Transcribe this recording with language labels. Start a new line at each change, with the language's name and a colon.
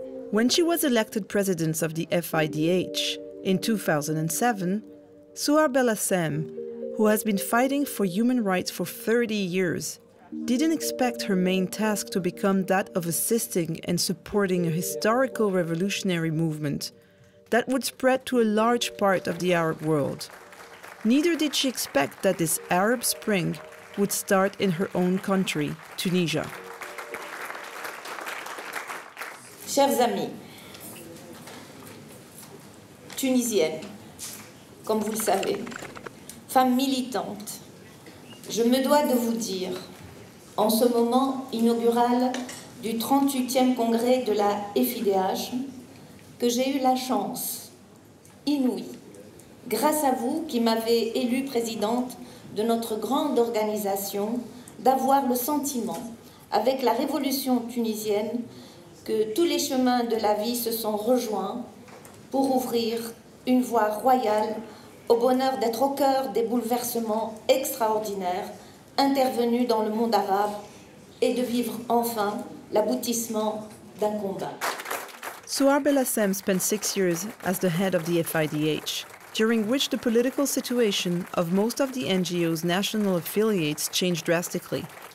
English: When she was elected president of the FIDH in 2007, Suhar Belassem, who has been fighting for human rights for 30 years, didn't expect her main task to become that of assisting and supporting a historical revolutionary movement that would spread to a large part of the Arab world. Neither did she expect that this Arab Spring would start in her own country, Tunisia.
French: Chers amis, Tunisienne, comme vous le savez, femme militante, je me dois de vous dire, en ce moment inaugural du 38e congrès de la FIDH, que j'ai eu la chance inouïe, grâce à vous qui m'avez élue présidente de notre grande organisation, d'avoir le sentiment, avec la révolution tunisienne, que tous les chemins de la vie se sont rejoints pour ouvrir une voie royale au bonheur d'être au cœur des bouleversements extraordinaires intervenus dans le monde arabe et de vivre enfin l'aboutissement d'un combat.
English: Suhar Belassem spent 6 years as the head of the FIDH, during which the political situation of most of the NGO's national affiliates changed drastically.